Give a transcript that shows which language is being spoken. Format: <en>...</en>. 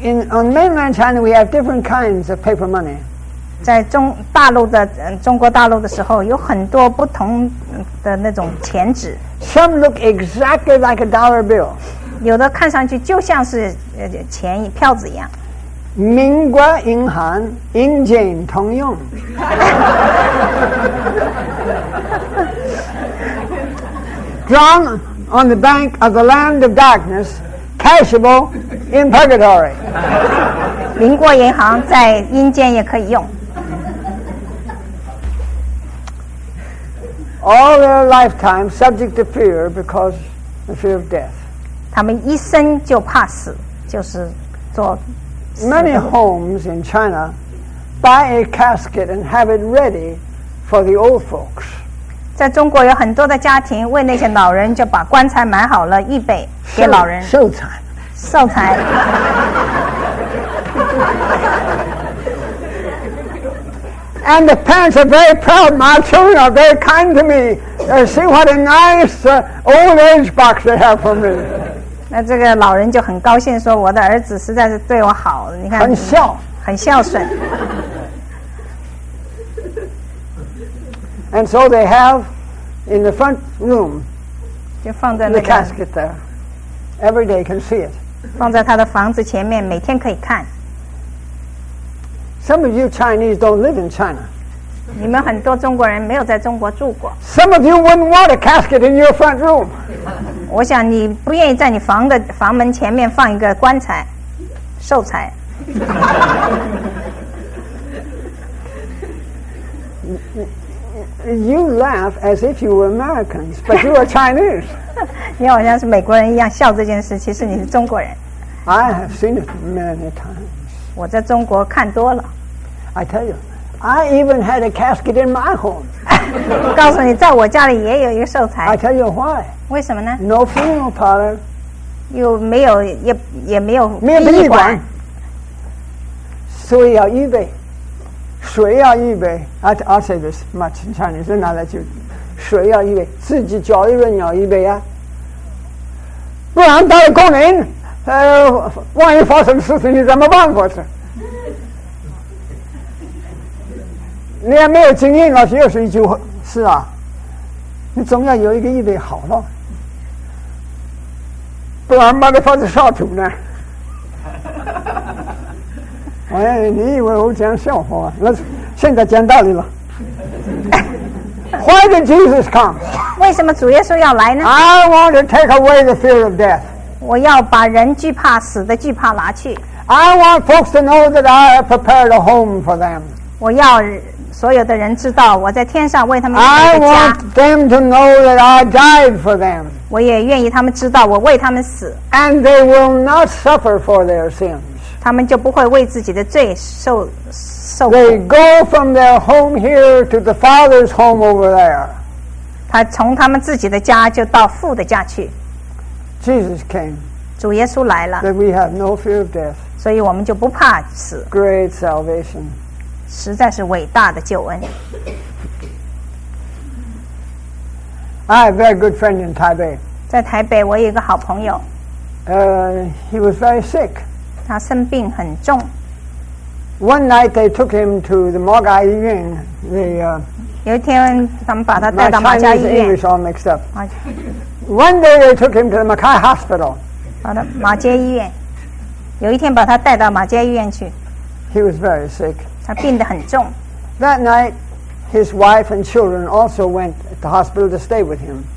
<en>On mainland China we have different kinds of paper money</en> <zh>在中大陆的中国大陆的时候有很多不同的那种钱纸</zh> <en>Some look exactly like a dollar bill</en> <zh>有的看上去就像是钱票子一样民国银行银锦通用</zh> <en>Drawn on the bank of the land of darkness Cashable in purgatory</en> <zh>民国银行在阴间也可以用</zh> <en>all their lifetime subject to fear because the fear of death.</en> <zh>他们一生就怕死，就是做。</zh> <en>Many homes in China buy a casket and have it ready for the old folks.</en> <zh>在中国有很多的家庭为那些老人就把棺材买好了，预备给老人寿材。寿材。</zh> <en>And the parents are very proud. My children are very kind to me. See what a nice old age box they have for me.</en> <zh>那这个老人就很高兴说我的儿子实在是对我好，你看很孝，很孝顺。</zh> <en>And so they have in the front room,</en> <zh>就放在那个</zh> <en>the casket there. Every day can see it.</en> <zh>放在他的房子前面，每天可以看。</zh> <en>Some of you Chinese don't live in China.</en> <zh>你们很多中国人没有在中国住过。</zh> <en>Some of you wouldn't want a casket in your front room.</en> <zh>我想你不愿意在你房的房门前面放一个棺材，寿材。</zh> <en>You laugh as if you were Americans, but you are Chinese.</en> <zh>你好像是美国人一样笑这件事，其实你是中国人。</zh> <en>I have seen it many times.</en> <zh>我在中国看多了。</zh> <en>I tell you, I even had a casket in my home.</en> <zh>告诉你，在我家里也有一个寿材。</zh> <en>I tell you why.</en> <zh>为什么呢</zh> <en>？No funeral parlor.</en> <zh>又没有，也没有殡仪馆。没有殡仪馆。所以要预备，水要预备。</zh> <en>I'll say this much in Chinese, and I'll let you.</en> <zh>水要预备，自己浇一润要预备呀、啊。不然到了过年，万一发生事情，你怎么办？不是。你还没有经验，老师又是一句话，是啊，你总要有一个预备好了，不然把你放在上头呢。哎，你以为我讲笑话、啊？那现在讲道理了。</zh> <en>Why did Jesus come?</en> <zh>为什么主耶稣要来呢</zh> <en>？I want to take away the fear of death.</en> <zh>我要把人惧怕死的惧怕拿去。</zh> <en>I want folks to know that I have prepared a home for them.</en> <zh>我要。所有的人知道我在天上为他们预备家。</zh> <en>I want them to know that I died for them.</en> <zh>我也愿意他们知道我为他们死。</zh> <en>And they will not suffer for their sins.</en> <zh>他们就不会为自己的罪受苦。</zh> <en>They go from their home here to the Father's home over there.</en> <zh>他从他们自己的家就到父的家去。</zh> <en>Jesus came.</en> <zh>主耶稣来了。</zh> <en>That we have no fear of death.</en> <zh>所以我们就不怕死。</zh> <en>Great salvation.</en> <zh>实在是伟大的救恩。</zh> <en>I have a very good friend in Taipei.</en> <zh>在台北，我有一个好朋友。</zh> <en>He was very sick.</en> <zh>他生病很重。</zh> <en>One night they took him to the Ma Gai 医院。</en> <zh>有一天他们把他带到马家医院。</zh> <en>My Chinese English all mixed up. One day they took him to the Ma Gai Hospital.</en> <zh>把他马街医院。有一天把他带到马街医院去。</zh> <en>He was very sick.</en> <zh>他病得很重。</zh> <en>That night, his wife and children also went to the hospital to stay with him.</en>